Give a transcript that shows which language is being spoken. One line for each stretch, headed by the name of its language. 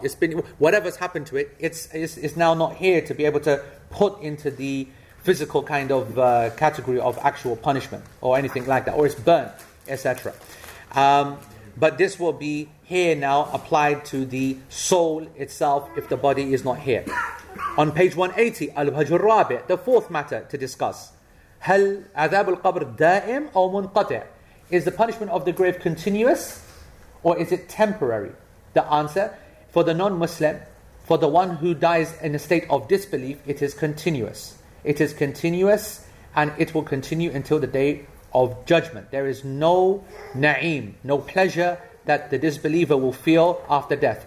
English: It's been, whatever's happened to it, it's now not here to be able to put into the physical kind of category of actual punishment or anything like that. Or it's burnt, etc. But this will be here now applied to the soul itself if the body is not here. On page 180, Al-Hajr Rabi, the fourth matter to discuss.
Arabic: هل عذاب القبر دائم أو منقطع?
English: Is the punishment of the grave continuous or is it temporary? The answer, for the non-Muslim, for the one who dies in a state of disbelief, it is continuous. It is continuous and it will continue until the day of judgment. There is no na'im, no pleasure that the disbeliever will feel after death.